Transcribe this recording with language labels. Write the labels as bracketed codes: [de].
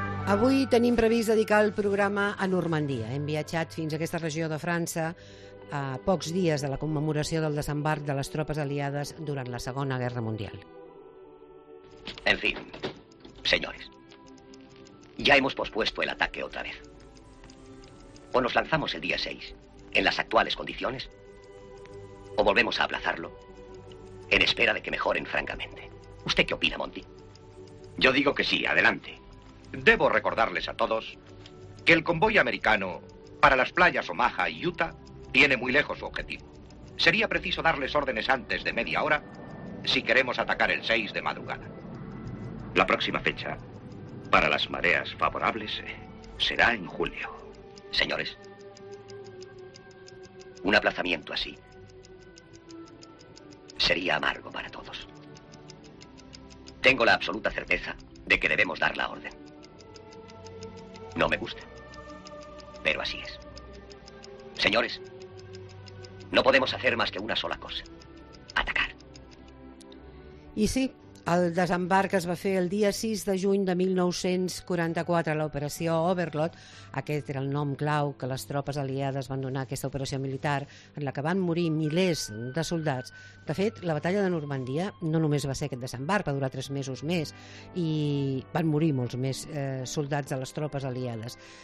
[ca] Avui tenim previst dedicar el programa a Normandia. Hem viatjat fins a aquesta regió de França a pocs dies de la commemoració del desembarc de les tropes aliades durant la Segona Guerra Mundial. [es] En fin, señores, ya hemos pospuesto el ataque otra vez. O nos lanzamos el día 6, en las actuales condiciones, o volvemos a aplazarlo en espera de que mejoren francamente. ¿Usted qué opina, Monty? Yo digo que sí, adelante. Debo recordarles a todos que el convoy americano para las playas Omaha y Utah tiene muy lejos su objetivo. Sería preciso darles órdenes antes de media hora si queremos atacar el 6 de madrugada. La próxima fecha para las mareas favorables será en julio. Señores, un aplazamiento así sería amargo para todos. Tengo la absoluta certeza de que debemos dar la orden. No me gusta, pero así es. Señores, no podemos hacer más que una sola cosa: atacar. [ca] I sí, el desembarc es va fer el dia 6 de juny de 1944, l'operació Overlord. Aquest era el nom clau que les tropes aliades van donar a aquesta operació militar, en la que van morir milers de soldats. De fet, la batalla de Normandia no només va ser aquest desembarc, va durar 3 mesos més, i van morir molts més soldats de les tropes aliades.